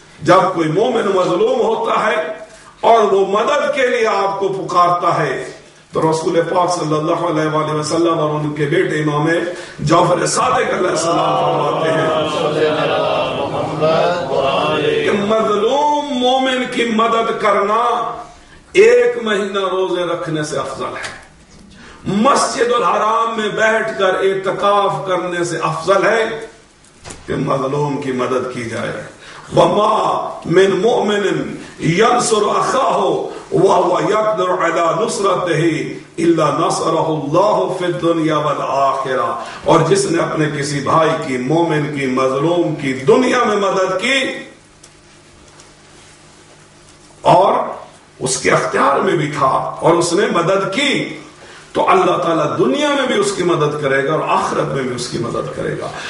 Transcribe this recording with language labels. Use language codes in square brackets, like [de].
[ur] جب کوئی مومن مظلوم ہوتا ہے اور وہ مدد کے لیے آپ کو پکارتا ہے، تو رسول پاک صلی اللہ علیہ وآلہ وسلم اور ان کے بیٹے امام جعفر صادق علیہ السلام فرماتے ہیں کہ مظلوم مومن کی مدد کرنا ایک مہینہ روزے رکھنے سے افضل ہے، مسجد الحرام میں بیٹھ کر اعتکاف کرنے سے افضل ہے کہ مظلوم کی مدد کی جائے. [ar] وما من مؤمن ينصر اخاه وهو يقدر على نصرته الا نصره الله في الدنيا والاخره. [ur] اور جس نے اپنے کسی بھائی کی، مومن کی، مظلوم کی دنیا میں مدد کی اور اس کے اختیار میں بھی تھا اور اس نے مدد کی، تو اللہ تعالیٰ دنیا میں بھی اس کی مدد کرے گا اور آخرت میں بھی اس کی مدد کرے گا.